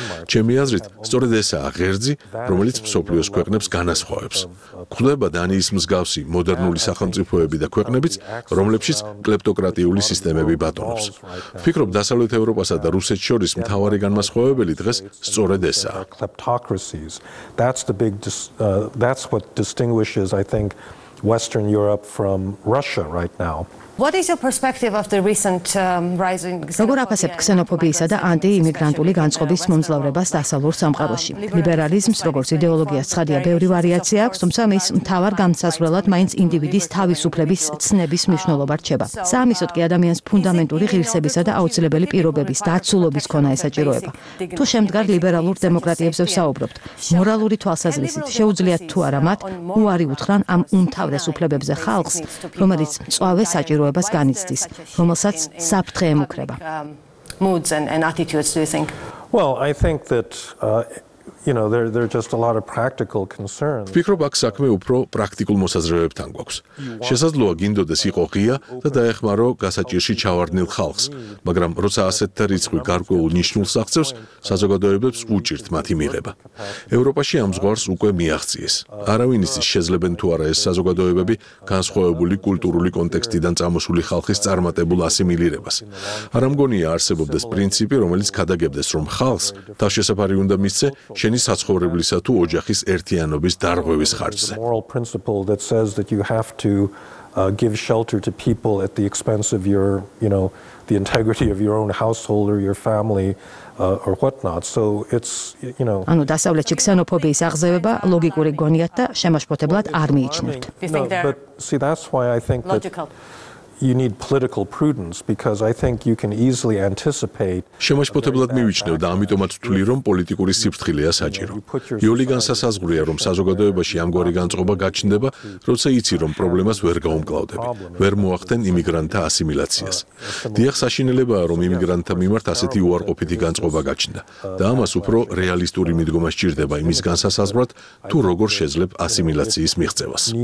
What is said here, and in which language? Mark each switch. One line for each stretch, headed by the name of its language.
Georgian: ჩემი აზრით, სწორედ ესაა ღერძი, რომელიც მსოფლიოს ქვეყნებს განასხვავებს. ხვდება დანიის მსგავსი მოდერნული სახელმწიფოები და ქვეყნებიც, რომლებშიც კლეპტოკრატიული სისტემები ბატონობს. ვფიქრობ, დასავლეთ ევროპასა და რუსეთს შორის მთავარი განმასხვავებელი დღეს სწორედ ესაა.
English: Kleptocracies. That's the big that's what distinguishes I think Western Europe from Russia right now. What is your perspective of the recent rising xenophobia?
Georgian: როგორ აფასებთ ქსენოფობიისა და ანტიიმიგრანტული განწყობის მომძლავრებას დასავლურ სამყაროში? ლიბერალიზმს, როგორც იდეოლოგიას, ცხადია, ბევრი ვარიაცია აქვს, თუმცა მის მთავარ განსაზღვრელად მაინც ინდივიდის თავისუფლების ცნების მნიშვნელობა რჩება. საამისოდ კი ადამიანის ფუნდამენტური ღირსებისა და აუცილებელი პირობების დაცულობის ქონა ესაჭიროება. თუ შემდგარ ლიბერალურ დემოკრატიებზე ვსაუბრობთ, მორალური თვალსაზრისით შეუძლიათ თუ არა მათ უარი უთხრან ამ უმთავრეს უფლებებზე ხალხს, რომელიც მწვავე ჯიროებას განიცდის, რომელსაც საფრთხე ემუქრება.
English: Moods and attitudes, do you think? Well, I think that you know, there're just a lot of practical concerns.
Georgian: ფიქრობ, აქ საქმე უფრო პრაქტიკულ მოსაზრებებთან გვაქვს. შესაძლოა გინდოდეს იყო ღია და დაეხმარო გასაჭირში ჩავარდნილ ხალხს, მაგრამ როცა ასეთ რიცხვი გარკვეულ ნიშნულს აღწევს, საზოგადოებებს უჭირთ მათი მიღება. ევროპაში ამ ზღვარს უკვე მიაღწიეს. არავინ ის შეძლებენ თუ არა ეს საზოგადოებები განსხვავებული კულტურული კონტექსტიდან წამოსული ხალხის წარმატებულ ასიმილირებას. არა მგონია არსებობდეს პრინციპი, რომელიც ქადაგებდეს, რომ ხალხს თავშესაფარი უნდა მისცე შენი საცხოვრებლისა თუ ოჯახის ერთიანობის დარღვევის ხარჯზე.
English: Moral principle that says that you have to give shelter to people at the expense of your, you know, the integrity of your own household or your family or what not. So it's, you know,
Georgian: ანუ დასავლეთში ქსენოფობიის აღზევება ლოგიკური გონიათ და შემაშფოთებლად არ მიიჩნევთ.
English: But see, that's why I think that you need political prudence because I think you can easily anticipate
Georgian: შემაშფოთებლად მივიჩნევ და ამიტომაც ვთვლი რომ პოლიტიკური სიფრთხილეა საჭირო. იოლი განსასაზღვრია რომ საზოგადოებაში ამგვარი განწყობა გაჩნდება, როცა იცი რომ პრობლემას ვერ გაუმკლავდები. ვერ მოახდენ იმიგრანტთა ასიმილაციას. დიახ, საშინელებაა რომ იმიგრანტთა მიმართ ასეთი უარყოფითი განწყობა გაჩნდა და ამას უფრო რეალისტური მიდგომა სჭირდება იმის განსასაზღვრად, თუ როგორ შეძლებ ასიმილაციის მიღწევას.